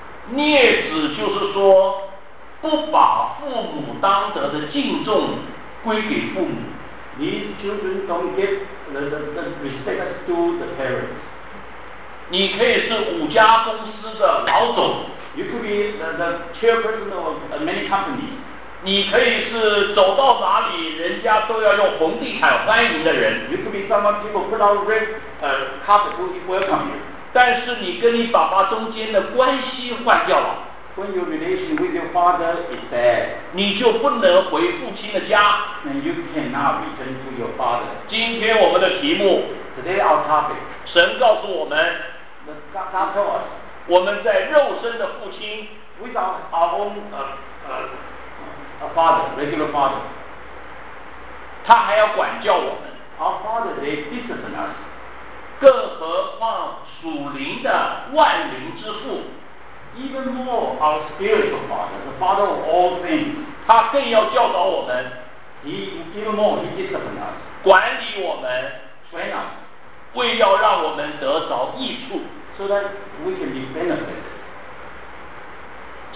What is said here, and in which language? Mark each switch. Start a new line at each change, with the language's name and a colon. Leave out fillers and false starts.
Chinese: 孽子就是说不把父母当得的敬重归给父母。
English: These children don't give the respect to the parents。
Chinese: 你可以是五家公司的老总。
English: You could be the chairperson of many companies。
Chinese: 你可以是走到哪里人家都要用红地毯欢迎的人。
English: You could be someone people put on red carpet to welcome you。
Chinese: 但是你跟你爸爸中间的关系坏掉了。
English: When your relation with your father is bad,
Chinese: 你就不能回父亲的家。
English: Then you cannot return to your father.
Chinese: 今天我们的题目
English: ，Today our topic，
Chinese: 神告诉我们
English: ，God told us，
Chinese: 我们在肉身的父亲
English: ，without our own regular father，
Chinese: 他还要管教我们。
English: Our father they discipline us，
Chinese: 更何况属灵的万灵之父。
English: Even more, our spiritual father, the father of all things,
Chinese: 他更要教导我们。
English: He even more, he disciplines us.
Chinese: 管理我们。
English: Train us.
Chinese: 为要让我们得着益处。
English: So that we can be benefited.